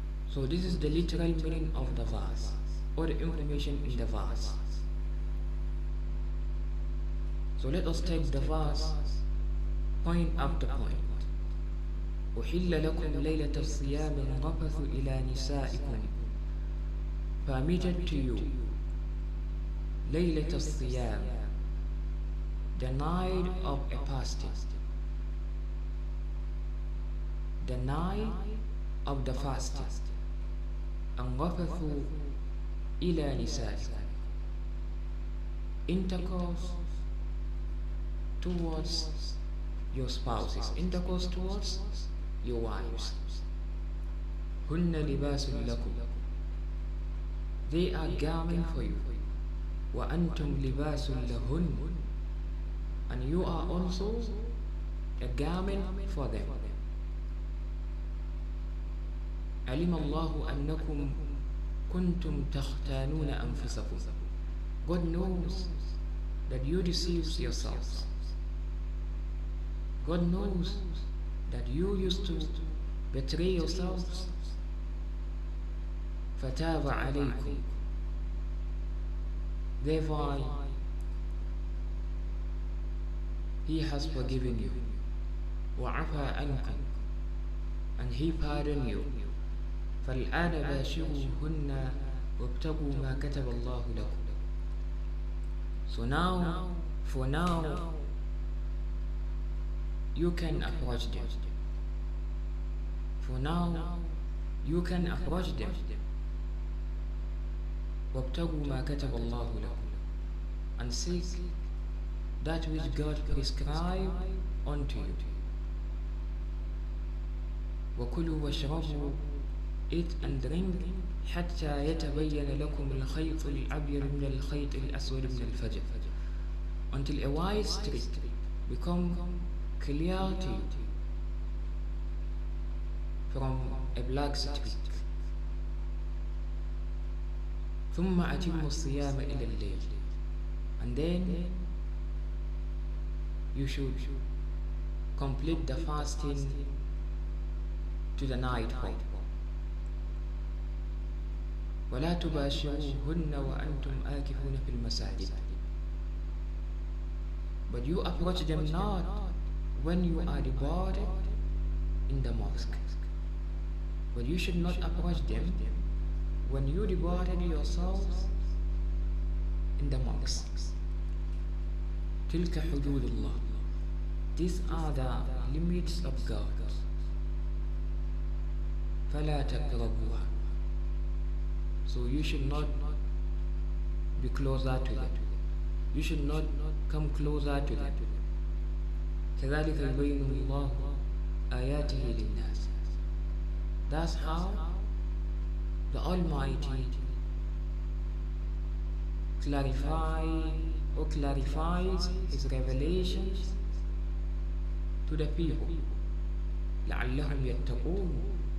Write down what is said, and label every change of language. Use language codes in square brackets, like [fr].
[en] So this is the literal meaning of the verse, or the information in the verse. So let us take the verse point after point. [ar] أحل لكم ليلة الصيام الرفث إلى نسائكم. [en] Permitted to you [ar] ليلة الصيام, [en] the night of a fasting, the night of the fasting, [ar] الرفث إلى نسائكم, [en] intercourse towards your spouses, intercourse towards your wives. [ar] هن لباس لكم. [en] They are garment for you. [ar] وأنتم لباس لهن. [en] And you are also a garment for them. [ar] علم الله أنكم كنتم تختانون أنفسكم. [en] God knows that you deceive yourselves. God knows that you used to betray yourselves. [ar] فتاب عليكم. [en] Therefore, He has forgiven you. [ar] وعفى عنكم. [en] And He pardoned you. [ar] فالآن باشروهن وابتغوا ما كتب الله لكم. [en] So now, for now, you can approach them. For now, you can approach them. [ar] وابتغوا ما كتب الله لكم. [en] And seek that which God prescribed unto you. [ar] وكلوا واشربوا, [en] eat and drink, [ar] حتى يتبين لكم الخيط الأبيض من الخيط الأسود من الفجر. [en] Until a white streak become clear to you from a black streak. [ar] ثم أتم الصيام إلى الليل. [en] And then you should complete the fasting to the night. [ar] ولا تباشروهن وأنتم آكفون في المساجد. [en] But you approach them not when you are departed in the mosque. But you should not approach them when you departed yourselves in the mosque. [ar] تلك حدود الله. [en] These are the limits of God. [ar] فلا تقربوها. [en] So you should not be closer to them. You should not come closer to them. [ar] كذلك يبين الله آياته للناس. [en] That's how the Almighty clarifies His revelations to the people. [ar] لعلهم يتقون.